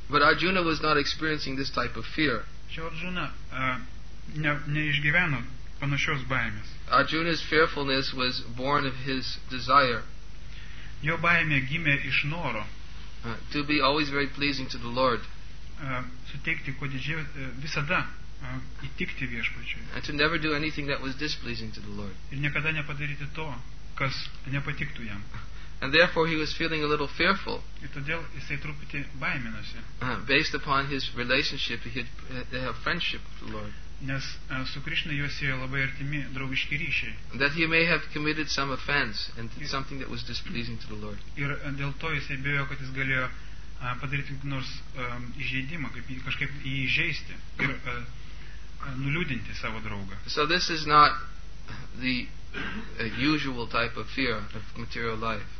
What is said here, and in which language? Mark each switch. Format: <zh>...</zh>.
<en>But Arjuna was not experiencing this type of fear.</en> <lt>Arjuna neišgyveno panašios baimės.</lt> <en>Arjuna's fearfulness was born of his desire.</en> <lt>Jo baimė gimė iš noro.</lt> <en>To be always very pleasing to the Lord.</en> <lt>Suteikti kuo didžiai visada įtikti viešpačiui.</lt> <en>And to never do anything that was displeasing to the Lord.</en> <lt>Ir niekada nepadaryti to, kas nepatiktų jam.</lt> <en>And therefore he was feeling a little fearful.</en> <lt>Ir todėl jisai truputį baiminosi.</lt> <en>Based upon his relationship, they have friendship with the Lord.</en> <lt>Nes su Krishna juos yra labai artimi draugiški ryšiai.</lt> <en>That he may have committed some offense and something that was displeasing to the Lord.</en> <lt>Ir dėl to jisai bijo, kad jis galėjo padaryti nors įžeidimą, kaip kažkaip jį įžeisti ir nuliūdinti savo draugą.</lt> <en>So this is not the usual type of fear of material life.</en>